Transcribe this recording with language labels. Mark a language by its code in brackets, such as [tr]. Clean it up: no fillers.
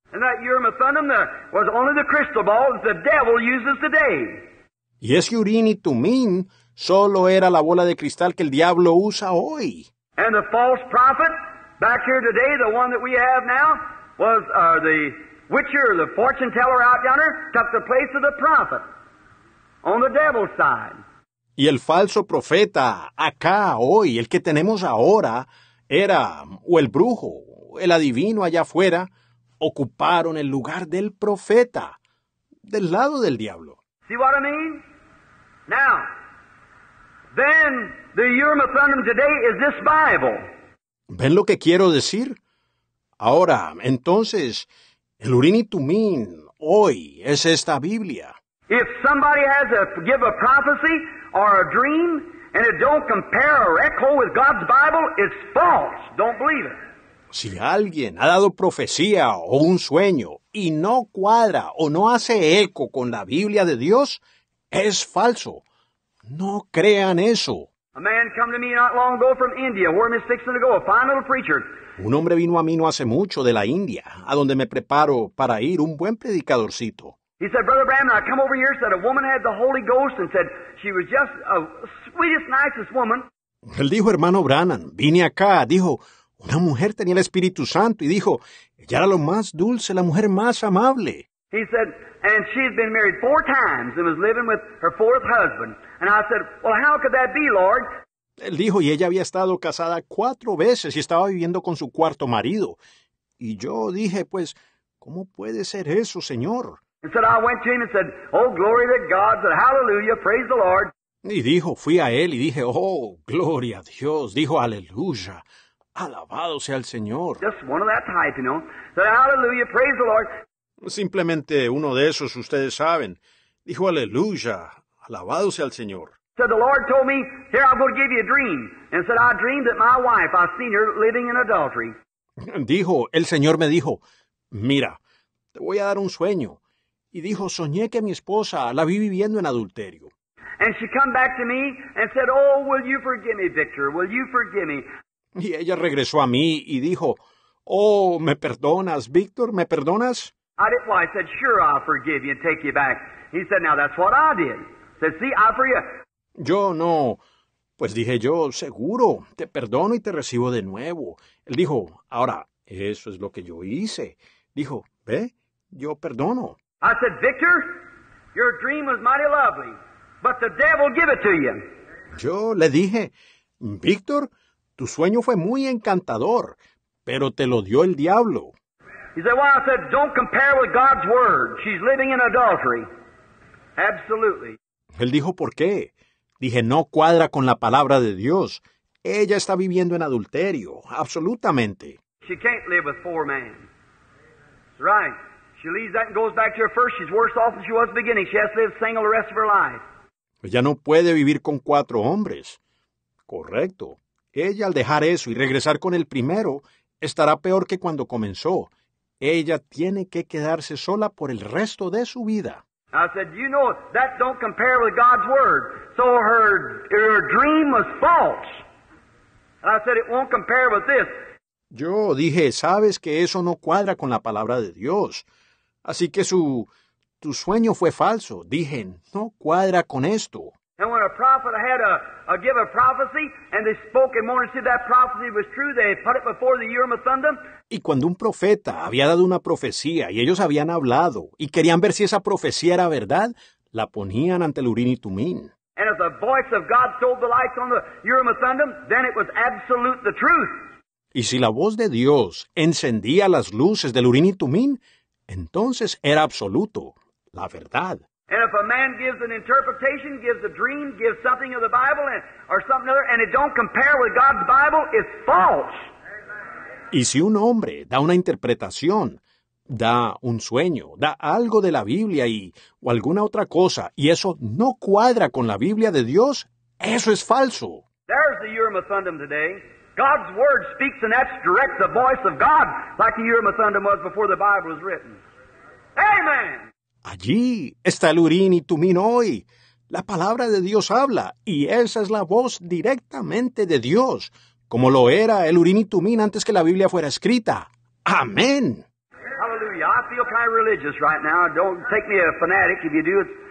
[en] And that Urim and Thummim was only the crystal ball that the devil uses today. [es] Y ese Urim y Tumim solo era la bola de cristal que el diablo usa hoy. [en] And the false prophet back here today, the one that we have now, was the witcher, the fortune teller out yonder, took the place of the prophet on the devil's side. [es] Y el falso profeta acá hoy, el que tenemos ahora, era o el brujo, el adivino allá afuera, ocuparon el lugar del profeta, del lado del diablo. [en] See what I mean? Now, then the Urim and Thummim today is this Bible. [es] ¿Ven lo que quiero decir? Ahora, entonces, el Urim y Tumim hoy es esta Biblia. [en] If somebody has to give a prophecy or a dream and it don't compare or echo with God's Bible, it's false. Don't believe it. [es] Si alguien ha dado profecía o un sueño y no cuadra o no hace eco con la Biblia de Dios, es falso. No crean eso. [en] A man come to me not long ago from India, where I'm fixing to go, a fine little preacher. [es] Un hombre vino a mí no hace mucho de la India, a donde me preparo para ir, un buen predicadorcito. [en] He said, Brother Bram, I come over here, said a woman had the Holy Ghost, and said she was just the sweetest, nicest woman. [es] Él dijo, hermano Brannan, vine acá, dijo, una mujer tenía el Espíritu Santo, y dijo, ella era lo más dulce, la mujer más amable. [en] He said, and she had been married four times and was living with her fourth husband. And I said, well, how could that be, Lord? [es] Él dijo, y ella había estado casada cuatro veces y estaba viviendo con su cuarto marido. Y yo dije, pues, ¿cómo puede ser eso, Señor? [en] And said, I went to him and said, oh, glory to God. I said, hallelujah, praise the Lord. [es] Y dijo, fui a él y dije, oh, gloria a Dios. Dijo, aleluya, alabado sea el Señor. [en] Just one of that type, you know. I said, hallelujah, praise the Lord. [es] Simplemente uno de esos, ustedes saben. Dijo, aleluya, alabado sea el Señor. [en] Said, the Lord told me, here I'm going to give you a dream. And said, I dreamed that my wife, I've seen her living in adultery. [es] Dijo, el Señor me dijo, mira, Te voy a dar un sueño. Y dijo, soñé que mi esposa la vi viviendo en adulterio. [en] And she come back to me and said, oh, will you forgive me, Victor? Will you forgive me? [es] Y ella regresó a mí y dijo, oh, ¿me perdonas, Victor? ¿Me perdonas? [en] I did, well, I said, sure, I'll forgive you and take you back. He said, now that's what I did. He said, see, I forgive you. [es] Yo no. Pues dije yo, seguro, te perdono y te recibo de nuevo. Él dijo, ahora, eso es lo que yo hice. Dijo, ve, yo perdono. [en] I said, Victor, your dream was mighty lovely, but the devil give it to you. [es] Yo le dije, Victor, tu sueño fue muy encantador, pero te lo dio el diablo. [en] He said, well, I said, don't compare with God's word. She's living in adultery. Absolutely. [es] Él dijo, ¿por qué? Dije, no cuadra con la palabra de Dios. Ella está viviendo en adulterio. Absolutamente. [en] She can't live with four men. That's right. She leaves that and goes back to her first. She's worse off than she was at the beginning. She has to live single the rest of her life. [es] Ella no puede vivir con cuatro hombres. Correcto. Ella al dejar eso y regresar con el primero, estará peor que cuando comenzó. Ella tiene que quedarse sola por el resto de su vida. [en] I said, you know, that don't compare with God's word. So her dream was false. And I said, it won't compare with this. [es] Yo dije, sabes que eso no cuadra con la palabra de Dios. Así que tu sueño fue falso. Dije, no cuadra con esto. [en] And when a prophet had a give a prophecy, and they spoke in mourning, said that prophecy was true, they put it before the Urim and Thummim. [es] Y cuando un profeta había dado una profecía y ellos habían hablado y querían ver si esa profecía era verdad, la ponían ante el Urim y Tumim. [en] And if the voice of God told the lights on the Urim and Thummim, then it was absolute the truth. [es] Y si la voz de Dios encendía las luces del Urim y Tumim, entonces era absoluto, la verdad. [en] And if a man gives an interpretation, gives a dream, gives something of the Bible and, or something other, and it don't compare with God's Bible, it's false. [es] Y si un hombre da una interpretación, da un sueño, da algo de la Biblia y, o alguna otra cosa, y eso no cuadra con la Biblia de Dios, eso es falso. [en] There's the Urim and Thummim today. God's word speaks and that's direct the voice of God, like the Urim and Thummim was before the Bible was written. Amen! [es] Allí está el Urim y Tumim hoy. La palabra de Dios habla, y esa es la voz directamente de Dios, como lo era el Urim y Tumim antes que la Biblia fuera escrita. ¡Amén! Aleluya. [en] I feel kind of religious right now. Don't take me a fanatic if you do.